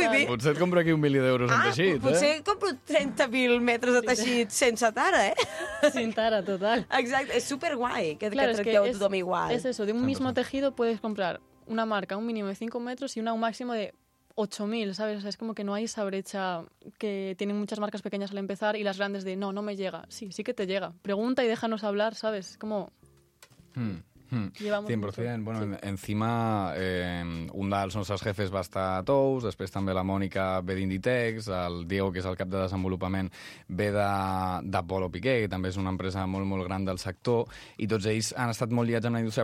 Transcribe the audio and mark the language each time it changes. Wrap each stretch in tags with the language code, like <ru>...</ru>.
<ca>Potser et compro aquí un milió d'euros en teixit. Potser eh? Compro 30.000 metres de teixit sense tara, eh?</ca> <es>Sin tara, total.</es> <ca>Exacte, és superguai que, claro, que tracteu tothom igual. És això,</ca> <es>d'un mismo tejido puedes comprar una marca un mínimo de 5</es> <ca>metres i</ca> <es>una un máximo de 8.000, ¿sabes? O sea, es como que no hay esa brecha que tienen muchas marcas pequeñas al empezar y las grandes de no, no me llega. Sí, sí que te llega. Pregunta y déjanos hablar, ¿sabes? Como... 100%. Bueno, sí.</es> <ca>Encima, un dels nostres jefes va estar a Tous, després també la Mònica ve d'Inditex, el Diego, que és el cap de desenvolupament, ve d'Apolo Piqué, que també és una empresa molt, molt gran del sector, i tots ells han estat molt liats amb la indústria.</ca>